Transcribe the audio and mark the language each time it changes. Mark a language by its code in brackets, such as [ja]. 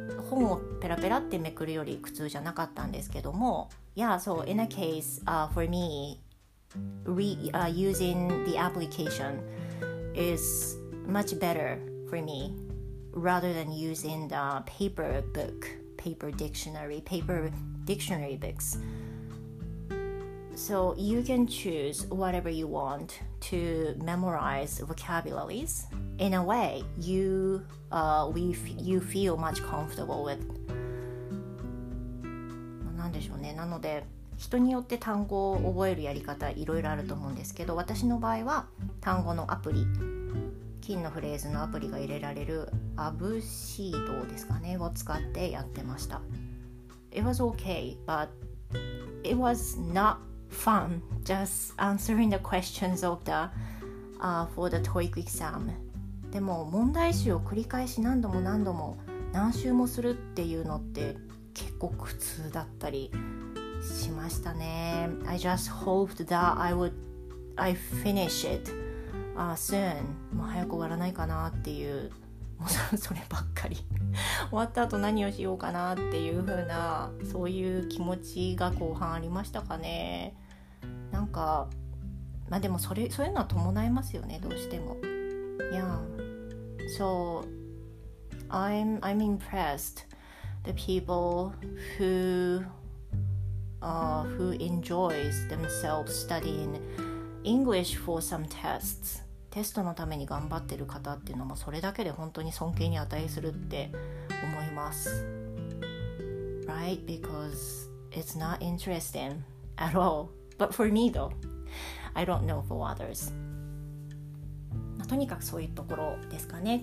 [ja] 本をペラペラってめくるより苦痛じゃなかったんですけども、 [en] Yeah, so in a case, for me using the application is much better for me rather than using the paper dictionary books. So you can choose whatever you want to memorize vocabularies in a way you feel much comfortable with. [ja] なんでしょうね。なので人によって単語を覚えるやり方いろいろあると思うんですけど、私の場合は単語のアプリ、金のフレーズのアプリが入れられるアブシードですかねを使ってやってました。 [en] It was okay, but it was not fun just answering the questions of the for the TOEIC exam. [ja] でも問題集を繰り返し何度も何周もするっていうのって結構苦痛だったりしましたね。 [en] I just hoped that I finish itsoon. [ja] もう早く終わらないかなっていう、もうそればっかり終わった後何をしようかなっていう風な、そういう気持ちが後半ありましたかね。なんかまあでもそういうのは伴いますよね、どうしても。 [en] Yeah, so I'm impressed the people who enjoys themselves studying English for some tests. [ja] テストのために頑張ってる方っていうのもそれだけで本当に尊敬に値するって思います。 [en] Right? Because it's not interesting at all. But for me though, I don't know for others. [ja] まあ、とにかくそういうところですかね。